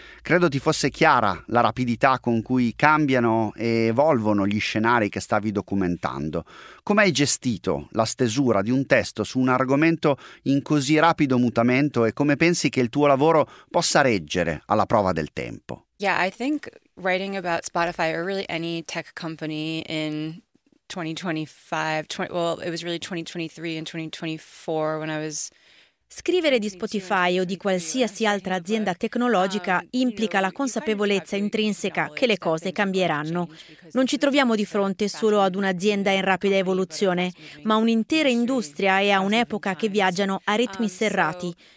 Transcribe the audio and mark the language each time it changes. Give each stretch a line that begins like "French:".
Italian: Credo ti fosse chiara la rapidità con cui cambiano e evolvono gli scenari che stavi documentando. Come hai gestito la stesura di un testo su un argomento in così rapido mutamento e come pensi che il tuo lavoro possa reggere alla prova del tempo?
English: Yeah, I think writing about Spotify or really any tech company in 2023 and 2024 when I was...
Italian: Scrivere di Spotify o di qualsiasi altra azienda tecnologica implica la consapevolezza intrinseca che le cose cambieranno. Non ci troviamo di fronte solo ad un'azienda in rapida evoluzione, ma un'intera industria e a un'epoca che viaggiano a ritmi serrati.